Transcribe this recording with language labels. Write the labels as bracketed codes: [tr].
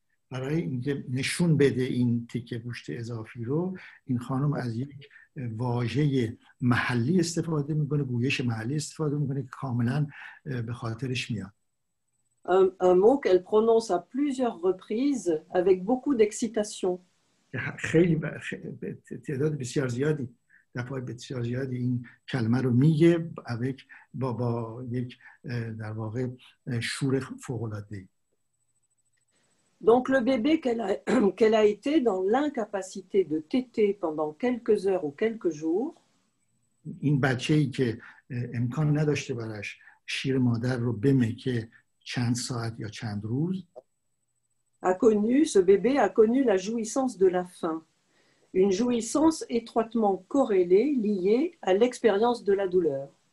[fa] برای اینکه نشون بده این تیکه گوشت اضافی رو این خانم از یک واژه محلی استفاده میکنه گویش محلی استفاده میکنه که کاملا به خاطرش میاد. [fr] Un mot qu'elle prononce à plusieurs reprises avec beaucoup d'excitation. [fa] خیلی تعداد بسیار زیادی دفعه بسیار زیادی این کلمه رو میگه با یک در واقع شور فوق‌العاده‌ای. [fr] Donc le bébé qu'elle a été dans l'incapacité de téter pendant quelques heures ou quelques jours. [fa] این بچه‌ای که امکان نداشته براش شیر مادر رو بمکه چند ساعت یا چند روز. [fr] Ce bébé a connu la jouissance de la faim, une jouissance étroitement corrélée, liée à l'expérience de la douleur.